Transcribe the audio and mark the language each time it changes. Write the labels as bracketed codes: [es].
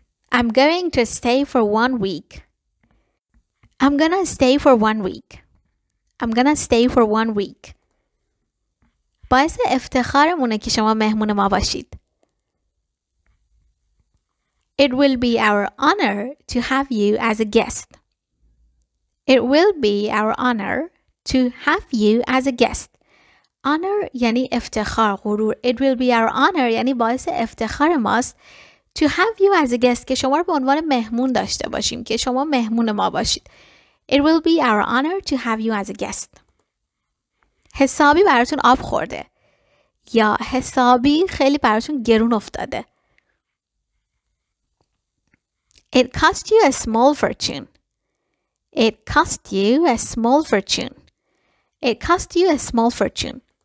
[en] I'm going to stay for 1 week. I'm gonna stay for 1 week. I'm gonna stay for 1 week. [fa] باعث افتخارمونه که شما مهمون ما باشید. [en] It will be our honor to have you as a guest. It will be our honor to have you as a guest. [fa] Honor یعنی افتخار، غرور. [en] It will be our honor [fa] یعنی باعث افتخار ماست [en] to have you as a guest [fa] که شما رو به عنوان مهمون داشته باشیم، که شما مهمون ما باشید. [en] It will be our honor to have you as a guest. [fa] حسابی براتون آب خورده یا حسابی خیلی براتون گرون افتاده. [en] It cost you a small fortune. It cost you a small fortune. It cost you a small fortune.